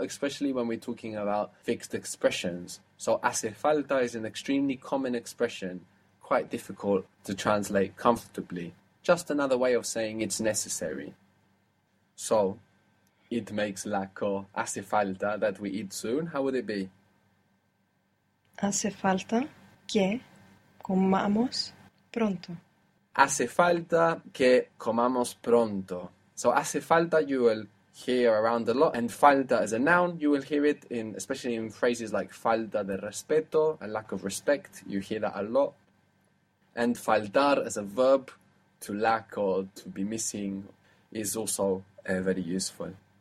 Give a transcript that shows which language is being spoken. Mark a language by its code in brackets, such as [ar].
[en] Especially when we're talking about fixed expressions. So [es] hace falta [en] is an extremely common expression, quite difficult to translate comfortably. Just another way of saying it's necessary. So, it makes lack or [es] hace falta [en] that we eat soon. How would it be? [es] Hace falta que comamos pronto. Hace falta que comamos pronto. [en] So, [es] hace falta [en] you will hear around a lot. And falta as a noun, you will hear it in, especially in phrases like [es] falta de respeto, [en] a lack of respect. You hear that a lot. And faltar as a verb, to lack or to be missing, is also very useful.